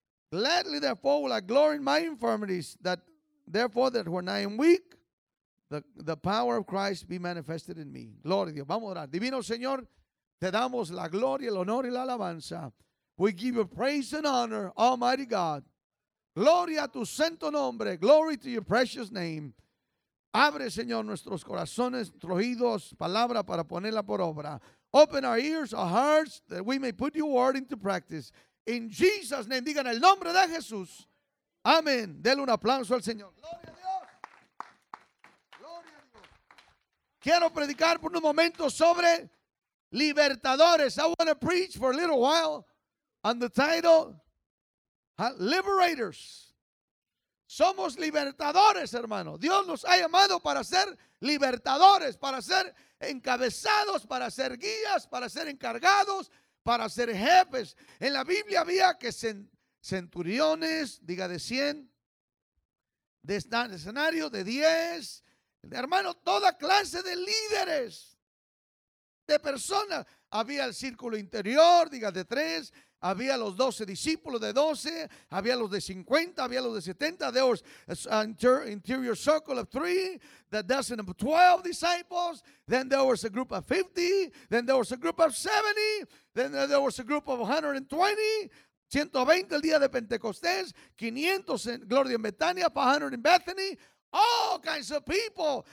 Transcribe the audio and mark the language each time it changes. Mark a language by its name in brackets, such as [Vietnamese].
[English] Gladly, therefore, will I glory in my infirmities, that therefore that when I am weak, the power of Christ be manifested in me. [Spanish] Gloria a Dios. Vamos a orar. Divino Señor, te damos la gloria, el honor y la alabanza. [English] We give you praise and honor, Almighty God. [Spanish] Gloria a tu santo nombre. [English] Glory to your precious name. [Spanish] Abre, Señor, nuestros corazones, nuestros oídos, palabra para ponerla por obra. [English] Open our ears, our hearts, that we may put your word into practice. In Jesus' name, [Spanish] digan el nombre de Jesús. Amén. Denle un aplauso al Señor. Gloria a Dios. Gloria a Dios. Quiero predicar por un momento sobre Libertadores. [English] I want to preach for a little while on the title, Liberators. [Spanish] Somos libertadores, hermano. Dios nos ha llamado para ser libertadores, para ser encabezados, para ser guías, para ser encargados, para ser jefes. En la Biblia había que centuriones, diga de 100, de escenario de 10. Hermano, toda clase de líderes, de personas. Había el círculo interior, diga de 3. Había los 12 discípulos de 12, había los de 50, había los de 70. [English] There was an interior circle of 3, the dozen of 12 disciples. Then there was a group of 50, then there was a group of 70, then there was a group of 120, [Spanish] 120 el día de Pentecostés, 500 en Gloria en Betania, [English] 500 en Bethany, all kinds of people.